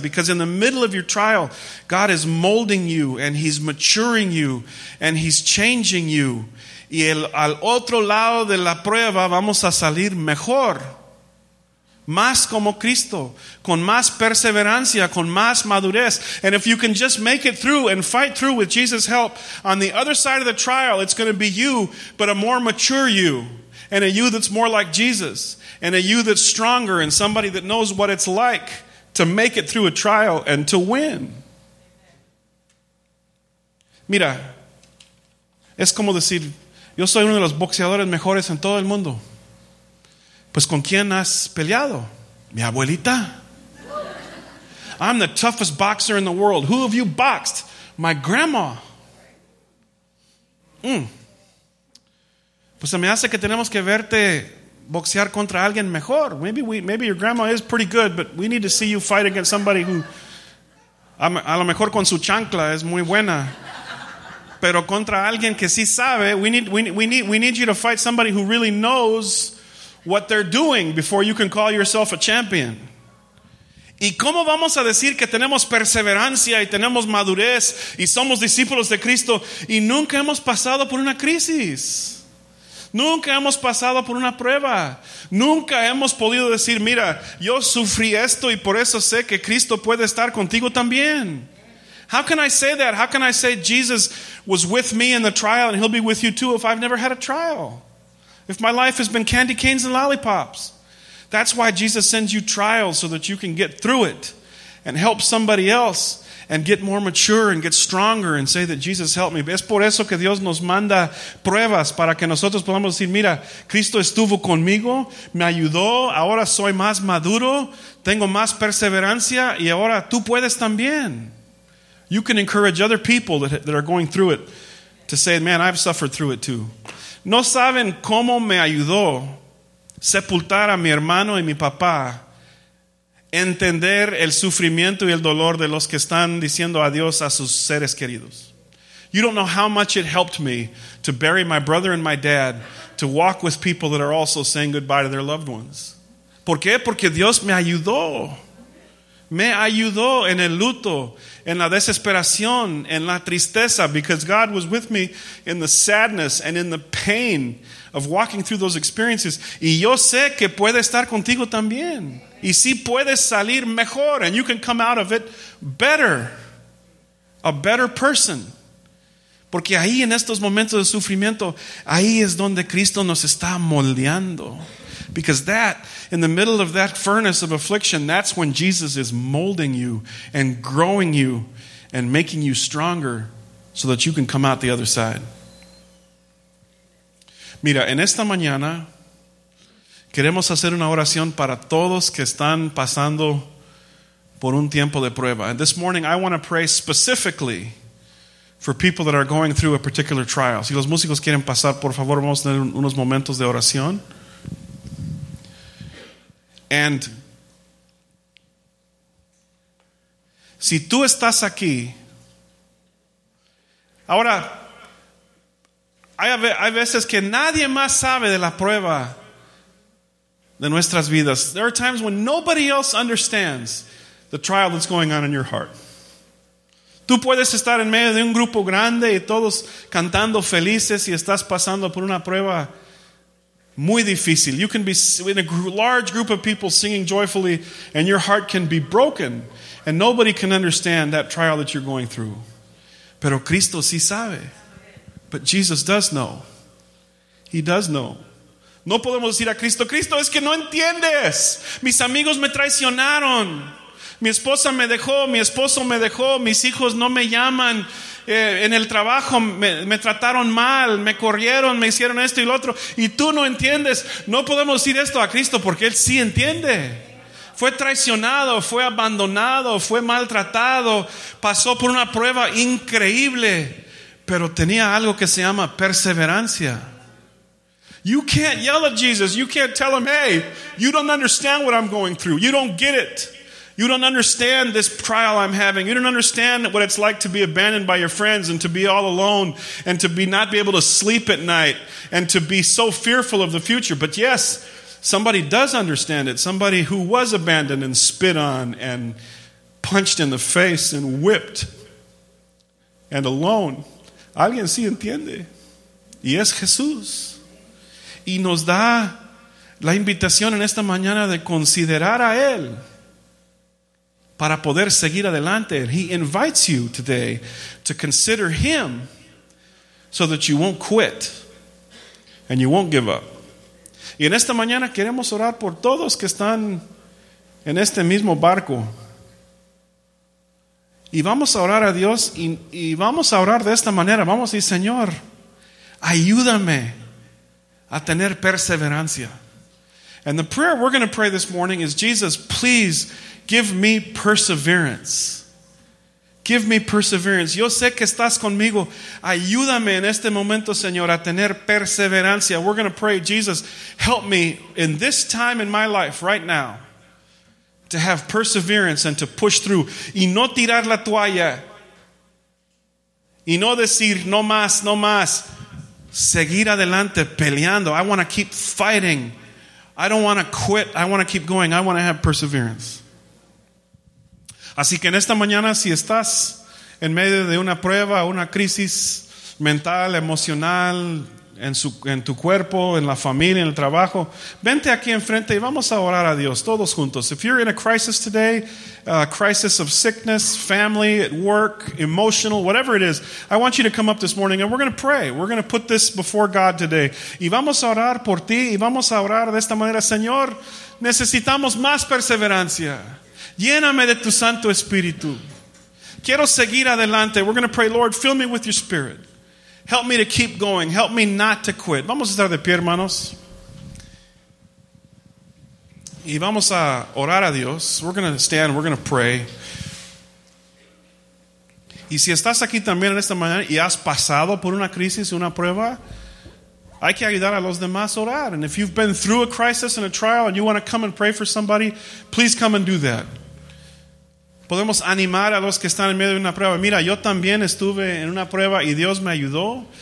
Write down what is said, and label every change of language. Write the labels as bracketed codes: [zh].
[en] Because in the middle of your trial, God is molding you and he's maturing you and he's changing you. [es] Y al otro lado de la prueba vamos a salir mejor, más como Cristo, con más perseverancia, con más madurez. [en] And if you can just make it through and fight through with Jesus' help, on the other side of the trial, it's going to be you, but a more mature you, and a you that's more like Jesus, and a you that's stronger, and somebody that knows what it's like to make it through a trial and to win. [es] Mira, es como decir, yo soy uno de los boxeadores mejores en todo el mundo. Pues, ¿con quién has peleado? Mi abuelita. [en] I'm the toughest boxer in the world. Who have you boxed? My grandma. [es] Pues, se me hace que tenemos que verte boxear contra alguien mejor. [en] Maybe your grandma is pretty good, but we need to see you fight against somebody who, [es] a lo mejor con su chancla es muy buena. Pero contra alguien que sí sabe, [en] we need you to fight somebody who really knows what they're doing before you can call yourself a champion. [es] ¿Y cómo vamos a decir que tenemos perseverancia y tenemos madurez y somos discípulos de Cristo y nunca hemos pasado por una crisis? Nunca hemos pasado por una prueba. Nunca hemos podido decir, mira, yo sufrí esto y por eso sé que Cristo puede estar contigo también. [en] How can I say that? How can I say Jesus was with me in the trial and he'll be with you too if I've never had a trial? If my life has been candy canes and lollipops. That's why Jesus sends you trials, so that you can get through it and help somebody else and get more mature and get stronger and say that Jesus helped me. [es] Es por eso que Dios nos manda pruebas, para que nosotros podamos decir, mira, Cristo estuvo conmigo, me ayudó, ahora soy más maduro, tengo más perseverancia, y ahora tú puedes también. [en] You can encourage other people that are going through it to say, man, I've suffered through it too. [es] No saben cómo me ayudó sepultar a mi hermano y mi papá, entender el sufrimiento y el dolor de los que están diciendo adiós a sus seres queridos. [en] You don't know how much it helped me to bury my brother and my dad, to walk with people that are also saying goodbye to their loved ones. [es] ¿Por qué? Porque Dios me ayudó. Me ayudó en el luto, en la desesperación, en la tristeza, [en] because God was with me in the sadness and in the pain of walking through those experiences. [es] Y yo sé que puede estar contigo también. Y si puedes salir mejor, [en] and you can come out of it better, a better person. [es] Porque ahí en estos momentos de sufrimiento, ahí es donde Cristo nos está moldeando. [en] Because that, in the middle of that furnace of affliction, that's when Jesus is molding you and growing you and making you stronger so that you can come out the other side. [es] Mira, en esta mañana queremos hacer una oración para todos que están pasando por un tiempo de prueba. [en] And this morning I want to pray specifically for people that are going through a particular trial. [es] Si los músicos quieren pasar, por favor, vamos a tener unos momentos de oración. And si tú estás aquí, ahora, hay veces que nadie más sabe de la prueba de nuestras vidas. [en] There are times when nobody else understands the trial that's going on in your heart. [es] Tú puedes estar en medio de un grupo grande y todos cantando felices y estás pasando por una prueba muy difícil. [en] You can be in a large group of people singing joyfully and your heart can be broken and nobody can understand that trial that you're going through. [es] Pero Cristo sí sabe. [en] But Jesus does know. He does know. [es] No podemos decir a Cristo, Cristo, es que no entiendes. Mis amigos me traicionaron. Mi esposa me dejó, mi esposo me dejó, mis hijos no me llaman. En el trabajo me trataron mal, me corrieron, me hicieron esto y lo otro, y tú no entiendes. No podemos decir esto a Cristo, porque Él sí entiende. Fue traicionado, fue abandonado, fue maltratado, pasó por una prueba increíble, pero tenía algo que se llama perseverancia. [en] You can't yell at Jesus, you can't tell him, hey, you don't understand what I'm going through, you don't get it. You don't understand this trial I'm having. You don't understand what it's like to be abandoned by your friends and to be all alone and to be not be able to sleep at night and to be so fearful of the future. But yes, somebody does understand it. Somebody who was abandoned and spit on and punched in the face and whipped and alone. [es] Alguien sí entiende. Y es Jesús. Y nos da la invitación en esta mañana de considerar a Él para poder seguir adelante. [en] And he invites you today to consider him so that you won't quit and you won't give up. [es] Y en esta mañana queremos orar por todos que están en este mismo barco. Y vamos a orar a Dios y vamos a orar de esta manera. Vamos a decir, Señor, ayúdame a tener perseverancia. [en] And the prayer we're going to pray this morning is, Jesus, please give me perseverance. Give me perseverance. [es] Yo sé que estás conmigo. Ayúdame en este momento, Señor, a tener perseverancia. [en] We're going to pray, Jesus, help me in this time in my life right now to have perseverance and to push through. [es] Y no tirar la toalla. Y no decir, no más, no más. Seguir adelante peleando. [en] I want to keep fighting. I don't want to quit. I want to keep going. I want to have perseverance. [es] Así que en esta mañana, si estás en medio de una prueba, una crisis mental, emocional, en tu cuerpo, en la familia, en el trabajo, vente aquí enfrente y vamos a orar a Dios todos juntos. [en] If you're in a crisis today, a crisis of sickness, family, at work, emotional, whatever it is, I want you to come up this morning and we're going to pray. We're going to put this before God today. [es] Y vamos a orar por ti y vamos a orar de esta manera. Señor, necesitamos más perseverancia. Lléname de tu Santo Espíritu. Quiero seguir adelante. [en] We're going to pray, Lord, fill me with your Spirit. Help me to keep going. Help me not to quit. [es] Vamos a estar de pie, hermanos. Y vamos a orar a Dios. [en] We're going to stand. We're going to pray. [es] Y si estás aquí también en esta mañana y has pasado por una crisis, una prueba, hay que ayudar a los demás a orar. [en] And if you've been through a crisis and a trial and you want to come and pray for somebody, please come and do that. [es] Podemos animar a los que están en medio de una prueba. Mira, yo también estuve en una prueba y Dios me ayudó.